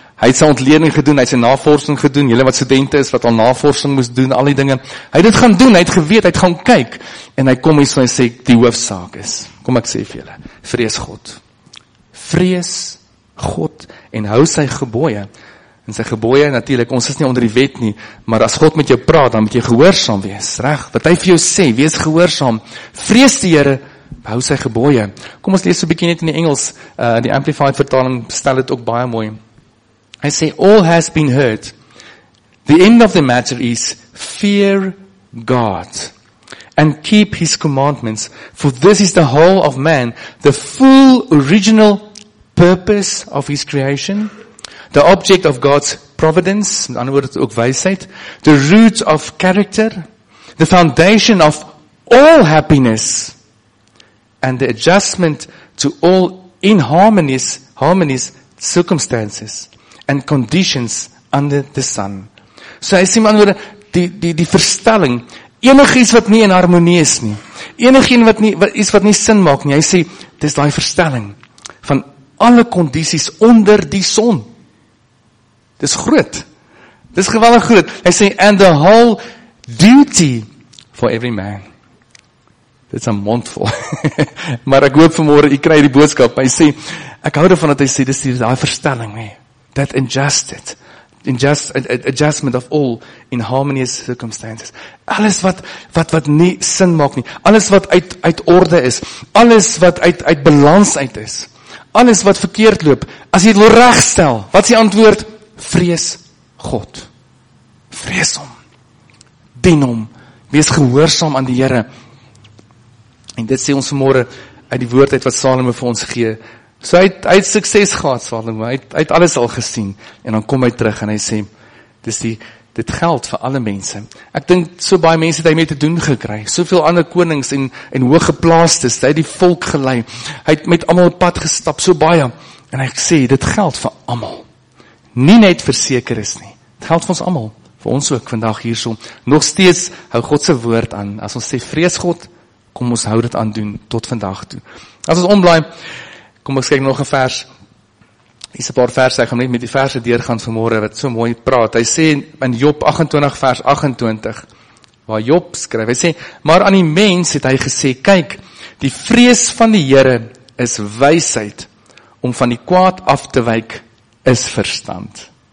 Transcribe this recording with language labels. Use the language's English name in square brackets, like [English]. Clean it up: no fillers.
[Afrikaans] Hy het sy ontleding gedoen, hy het sy navorsing gedoen, julle wat studente is, wat al navorsing moes doen, al die dinge, hy het dit gaan doen, hy het geweet, hy het gaan kyk, en hy kom en hy sê, die hoofsaak is, kom ek sê vir julle, vrees God. Vrees God en hou sy gebooie, en sy gebooie, natuurlik, ons is nie onder die wet nie, maar as God met jou praat, dan moet jy gehoorsaam wees, reg, wat hy vir jou sê, wees gehoorsaam, vrees die Here, hou sy gebooie. Kom ons lees so 'n bietjie net in die Engels, die Amplified vertaling stel het ook baie mooi. Hy sê, [English] all has been heard, the end of the matter is, fear God, and keep his commandments, for this is the whole of man, the full original purpose of his creation, the object of God's providence, [Afrikaans] in ander woord ook wysheid, [English] the root of character, the foundation of all happiness, and the adjustment to all inharmonious circumstances and conditions under the sun. [Afrikaans] So hy sê in ander woord, die verstelling, enigiets wat nie in harmonie is nie, enigiets wat nie, iets wat nie sin maak nie, hy sê, dis die verstelling van alle kondisies onder die son. Dis groot. Dis geweldig groot. Hy sê, [English] and the whole duty for every man. [Afrikaans] Dit is 'n mondvol. Maar ek hoop vanmôre, u kry die boodskap. Hy sê, ek hou daarvan dat hy sê, dis die daai verstelling, nee. [English] That adjustment of all in harmonious circumstances. [Afrikaans] Alles wat nie sin maak nie. Alles wat uit orde is. Alles wat uit balans uit is. Alles wat verkeerd loop, as jy dit wil regstel, wat is die antwoord? Vrees God. Vrees hom. Dien hom. Wees gehoorsaam aan die Here. En dit sê ons vanmôre uit die woord uit wat Salomo vir ons gee. So hy het sukses gehad, Salomo. Hy het alles al gesien. En dan kom hy terug en hy sê, dit geld vir alle mense. Ek dink so baie mense het hy mee te doen gekry. Soveel ander konings en hooggeplaastes, hy het die volk gelei. Hy het met almal op pad gestap, so baie. En hy sê, dit geld vir almal. Nie net vir sekeres nie. Dit geld vir ons almal. Vir ons ook vandag hierso. Nog steeds hou God se woord aan. As ons sê, vrees God, kom ons hou dit aan doen tot vandag toe. As ons omblaai, kom ons kyk nog 'n vers. Hier is 'n paar verse, ek gaan net met die verse deurgaan vanmôre wat so mooi praat. Hy sê in Job 28 vers 28, waar Job skryf, hy sê, maar aan die mens het hy gesê, kyk, die vrees van die Here is wysheid, om van die kwaad af te wyk is verstand.